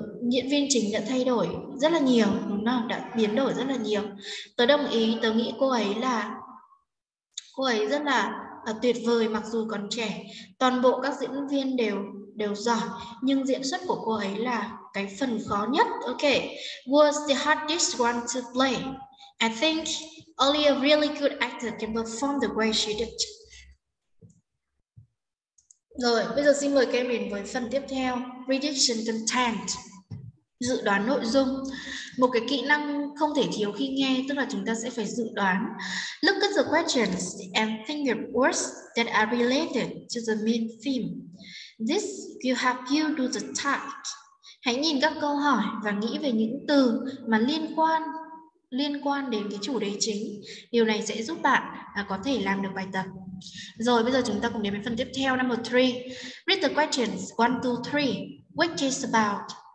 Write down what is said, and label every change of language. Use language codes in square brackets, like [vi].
[vi] Diễn viên chính đã thay đổi rất là nhiều, đúng không? Đã biến đổi rất là nhiều. Tớ đồng ý, tớ nghĩ cô ấy rất là tuyệt vời mặc dù còn trẻ. Toàn bộ các diễn viên đều giỏi, nhưng diễn xuất của cô ấy là cái phần khó nhất. [en] Ok, was the hardest one to play. I think only a really good actor can perform the way she did. [vi] Rồi, bây giờ xin mời các em đến với phần tiếp theo, [en] prediction content, [vi] dự đoán nội dung. Một cái kỹ năng không thể thiếu khi nghe, tức là chúng ta sẽ phải dự đoán. [en] Look at the questions and think of words that are related to the main theme. This will help you do the task. [vi] Hãy nhìn các câu hỏi và nghĩ về những từ mà liên quan đến cái chủ đề chính. Điều này sẽ giúp bạn có thể làm được bài tập. Rồi, bây giờ chúng ta cùng đến với phần tiếp theo, number 3. [en] Read the questions 1, 2, 3. Which is about?